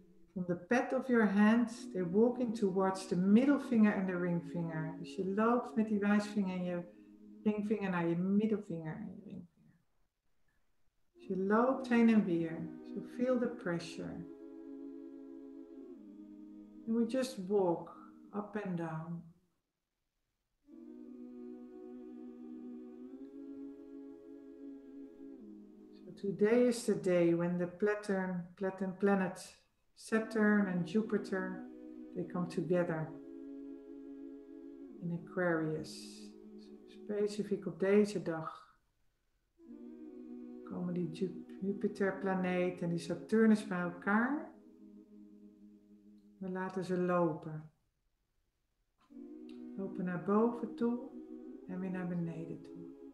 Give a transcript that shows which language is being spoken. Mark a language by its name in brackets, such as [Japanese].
[English] From the pad of your hand, they're walking towards the middelvinger and the ringvinger. [Dutch] Dus je loopt met die wijsvinger en je ringvinger naar je middelvinger en je ringvinger. Dus je loopt heen en weer. [English] So feel the pressure. And we just walk. Up and down. So today is the day when the planet Saturn and Jupiter, they come together in Aquarius. [Dutch] Specifiek op deze dag komen die Jupiter planeet en die Saturnus bij elkaar. We laten ze lopen. Lopen naar boven toe en weer naar beneden toe.